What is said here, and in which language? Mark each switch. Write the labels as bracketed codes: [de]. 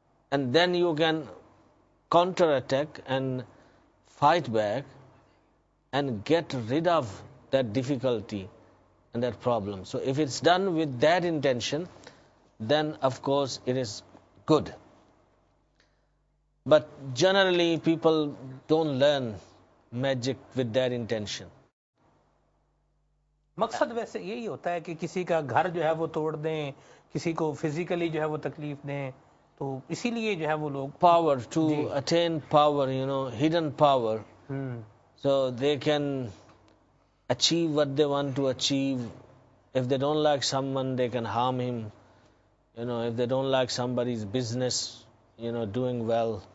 [en] And then you can counterattack and fight back and get rid of that difficulty and that problem. So if it's done with that intention, then of course it is good. But generally people don't learn magic with that intention. [ur] مقصد ویسے یہی ہوتا ہے کہ کسی کا گھر جو ہے وہ توڑ دیں, کسی کو فزیکلی جو ہے وہ تکلیف دیں, تو اسی لیے جو ہے وہ لوگ [en] Power to attain power, you know, hidden power, so they can achieve what they want to achieve. If they don't like someone they can harm him, you know, if they don't like somebody is business, you know, doing well,